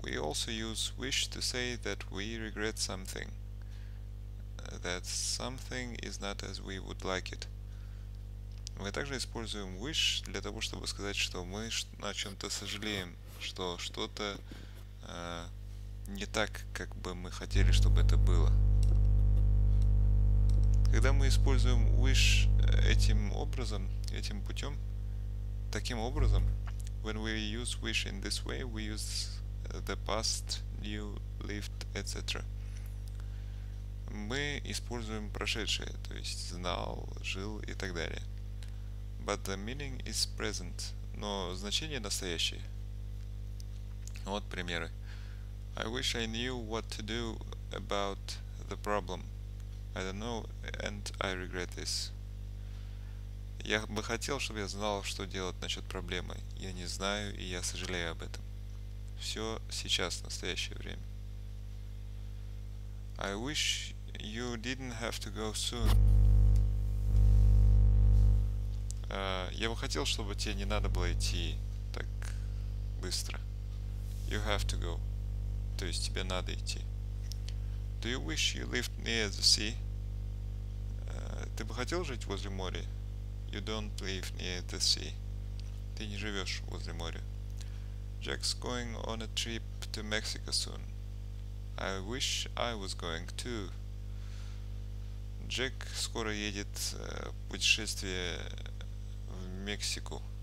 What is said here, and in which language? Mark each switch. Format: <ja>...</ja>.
<en>We also use wish to say that we regret something, that something is not as we would like it.</en> <ru>Мы также используем wish для того, чтобы сказать, что мы о чем-то сожалеем, что что-то не так, как бы мы хотели, чтобы это было. Когда мы используем wish этим образом, этим путем, таким образом,</ru> <en>when we use wish in this way, we use the past, new, lived, etc.</en> <ru>Мы используем прошедшее, то есть знал, жил и так далее.</ru> <en>But the meaning is present.</en> <ru>Но значение настоящее. Вот примеры.</ru> <en>I wish I knew what to do about the problem. I don't know, and I regret this.</en> <ru>Я бы хотел, чтобы я знал, что делать насчет проблемы. Я не знаю, и я сожалею об этом. Все сейчас, в настоящее время.</ru> <en>I wish you didn't have to go soon.</en> <ru>Я бы хотел, чтобы тебе не надо было идти так быстро.</ru> <en>You have to go.</en> <ru>То есть тебе надо идти.</ru> <en>Do you wish you lived near the sea?</en> <ru>Ты бы хотел жить возле моря?</ru> <en>You don't live near the sea.</en> <ru>Ты не живешь возле моря.</ru> <en>Jack's going on a trip to Mexico soon. I wish I was going too.</en> <ru>Джек скоро едет в путешествие в Мексику.</ru>